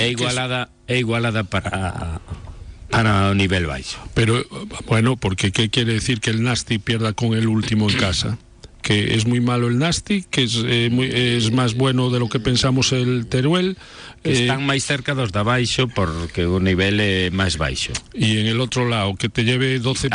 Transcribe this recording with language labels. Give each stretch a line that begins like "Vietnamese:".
Galician: é igualada para o nivel baixo.
Spanish: Pero bueno, porque que quere decir que el Nasti pierda con el último en casa? Que es muy malo el Nasti, que es más bueno de lo que pensamos el Teruel.
Galician: Están máis cerca dos de abaixo porque o nivel é máis baixo.
Spanish: E en el outro lado, que te lleve 12